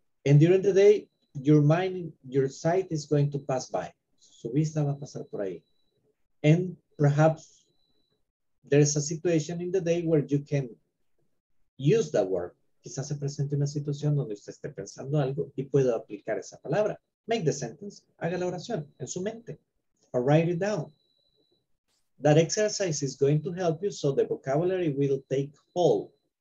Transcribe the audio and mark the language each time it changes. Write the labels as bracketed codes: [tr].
[en] And during the day, your mind, your sight is going to pass by. [es] Su vista va a pasar por ahí. [en] And perhaps there's a situation in the day where you can use that word. [es] Quizás se presente una situación donde usted esté pensando algo y pueda aplicar esa palabra. [en] Make the sentence. [es] Haga la oración en su mente. [en] Or write it down. That exercise is going to help you so the vocabulary will take hold.